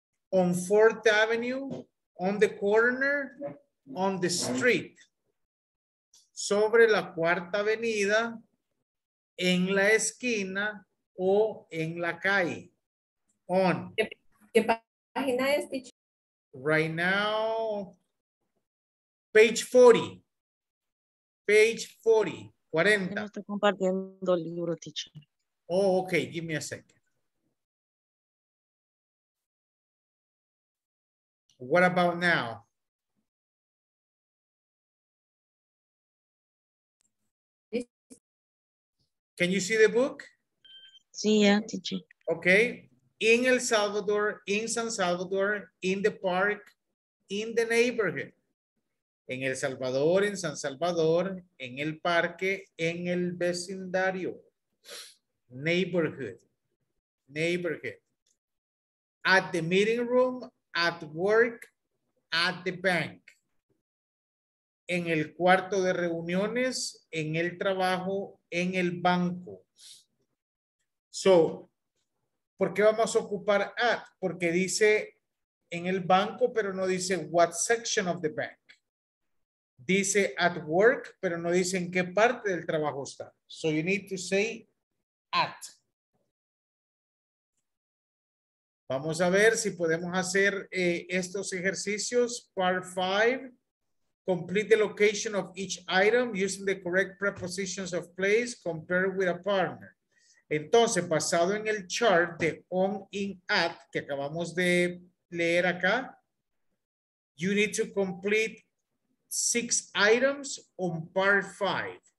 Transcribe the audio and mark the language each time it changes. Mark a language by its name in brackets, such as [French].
[English] On 4th Avenue, on the corner, on the street. [Spanish] Sobre la cuarta avenida, en la esquina o en la calle. [English] On. [Spanish] ¿Qué página es, teacher? [English] Right now, page 40. Page 40, 40. [Spanish] Yo no estoy compartiendo el libro, teacher. [English] Oh, okay, give me a second. What about now? Can you see the book? [Spanish] Sí, [English] yeah, teacher. Okay. In El Salvador, in San Salvador, in the park, in the neighborhood. [Spanish] En El Salvador, en San Salvador, en el parque, en el vecindario. [English] Neighborhood, neighborhood. At the meeting room, at work, at the bank. [Spanish] En el cuarto de reuniones, en el trabajo, en el banco. So, ¿por qué vamos a ocupar at? Porque dice en el banco, pero no dice [English] what section of the bank. [Spanish] Dice [English] at work, [Spanish] pero no dice en qué parte del trabajo está. [English] So you need to say at. [Spanish] Vamos a ver si podemos hacer estos ejercicios. [English] Part 5. Complete the location of each item using the correct prepositions of place compared with a partner. [Spanish] Entonces, basado en el chart de on, in, at que acabamos de leer acá, [English] you need to complete 6 items on part 5.